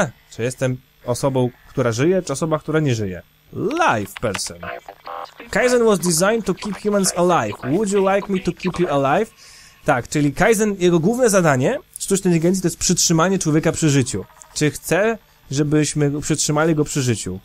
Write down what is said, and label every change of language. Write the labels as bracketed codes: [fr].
[pl] Czy jestem osobą, która żyje, czy osoba, która nie żyje? [en] Live person. Kaizen was designed to keep humans alive. Would you like me to keep you alive? [pl] Tak, czyli Kaizen, jego główne zadanie sztucznej inteligencji to jest przytrzymanie człowieka przy życiu. Czy chce, żebyśmy przytrzymali go przy życiu?